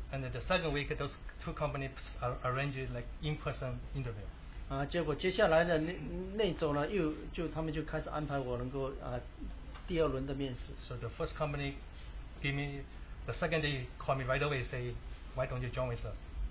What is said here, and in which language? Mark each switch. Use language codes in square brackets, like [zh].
[en] And in the second week, those two companies arranged in-person interview. [zh] 结果接下来的那周呢，他们就开始安排我能够第二轮的面试。 [en] So the first company gave me, the second day called me right away, say, why don't you join with us?